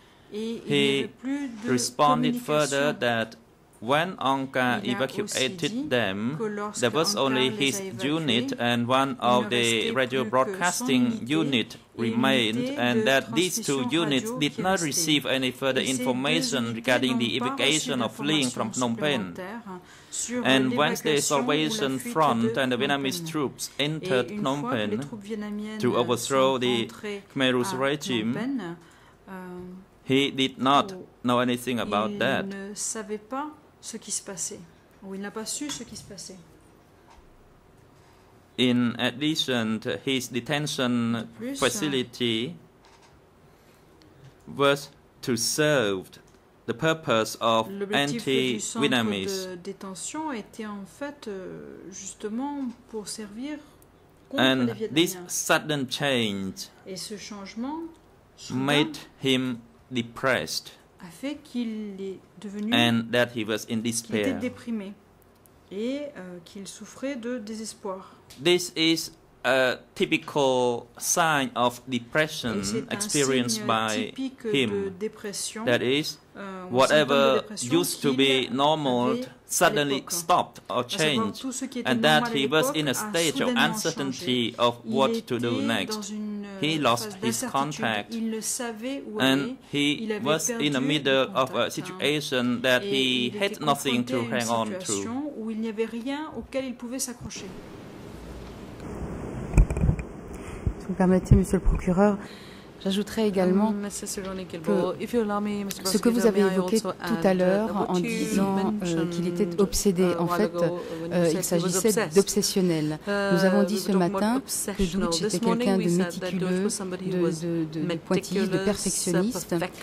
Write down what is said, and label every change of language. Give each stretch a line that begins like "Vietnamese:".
English: He responded further that when Anka evacuated them, there was only his unit and one of the radio broadcasting unit remained, and that these two units did not receive any further information regarding the evacuation or fleeing from Phnom Penh. And when the Salvation Front and the Vietnamese troops entered Phnom Penh to overthrow the Khmer Rouge regime, he did not know anything about that.
French: Il ne savait pas ce qui se passait. Ou il n'a pas su ce qui se passait.
English: In addition, his detention facility was to serve the purpose of anti-Vietnamese.
French: L'objectif de détention était en fait justement pour servir contre
English: and this sudden change
French: et ce changement
English: made him depressed,
French: a fait qu'il est devenu
English: and that he was in despair.
French: Qu'il était déprimé et qu'il souffrait de désespoir.
English: This is a typical sign of depression experienced by him. That is, whatever used to be normal suddenly stopped or changed, and that he was in a stage of uncertainty of what to do next. He lost his contact, and he was in the middle of a situation that he had nothing to hang on to.
French: Où il n'y avait rien auquel il pouvait s'accrocher. Si vous permettez, Monsieur le Procureur, j'ajouterai également que ce que vous avez évoqué tout à l'heure en disant qu'il était obsédé. En fait, il s'agissait d'obsessionnel. Nous avons dit ce matin que Deutsch était quelqu'un de méticuleux, de pointilliste, de perfectionniste.